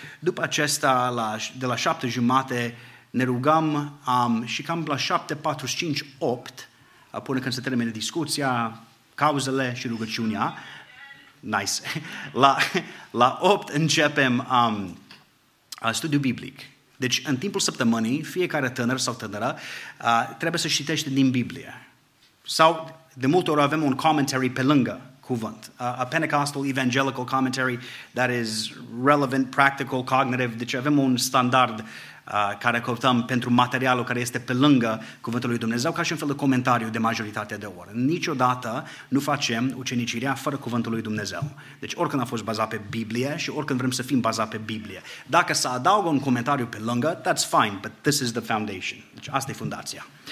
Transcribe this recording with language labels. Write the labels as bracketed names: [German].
[Romanian] După acesta, de la 7:30, ne rugăm și cam la 7:45-8, până când se termine discuția, cauzele și rugăciunea, nice, la 8 începem studiul biblic. Deci, în timpul săptămânii, fiecare tânăr sau tânără trebuie să citește din Biblie. Sau, de multe ori, avem un commentary pe lângă cuvânt. [English] A Pentecostal Evangelical Commentary that is relevant, practical, cognitive. [Romanian] Deci, avem un standard care căutăm pentru materialul care este pe lângă cuvântul lui Dumnezeu, ca și un fel de comentariu de majoritatea de ori. Niciodată nu facem ucenicirea fără cuvântul lui Dumnezeu. Deci oricând a fost bazat pe Biblie și oricând vrem să fim bazat pe Biblie. Dacă se adaugă un comentariu pe lângă, [English] that's fine, but this is the foundation. [Romanian] Deci asta e fundația.